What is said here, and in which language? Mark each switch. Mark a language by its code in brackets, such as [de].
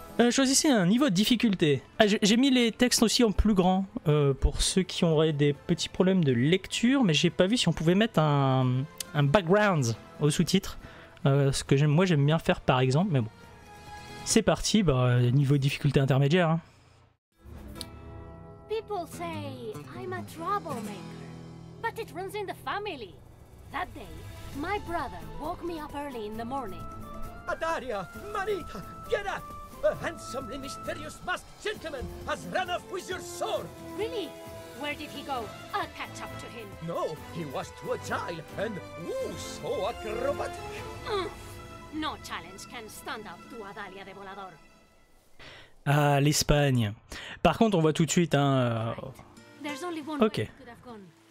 [fr] Choisissez un niveau de difficulté. Ah, j'ai mis les textes aussi en plus grand pour ceux qui auraient des petits problèmes de lecture, mais j'ai pas vu si on pouvait mettre un background au sous-titre. Ce que j'aime, moi j'aime bien faire par exemple, mais bon. C'est parti, bah, niveau de difficulté intermédiaire. Hein. [en] People say I'm a troublemaker, but it runs in the family. That day, my brother woke me up early in the morning. Adaria, Marita, get up! A handsomely mysterious masked gentleman has run off with your sword! Really? Where did he go? I'll catch up to him. No, he was too agile and, ooh, so acrobatic! No challenge can stand up to Adalia de Volador. [fr] Ah, l'Espagne. Par contre, on voit tout de suite, hein... [en] There's only one way it could have gone.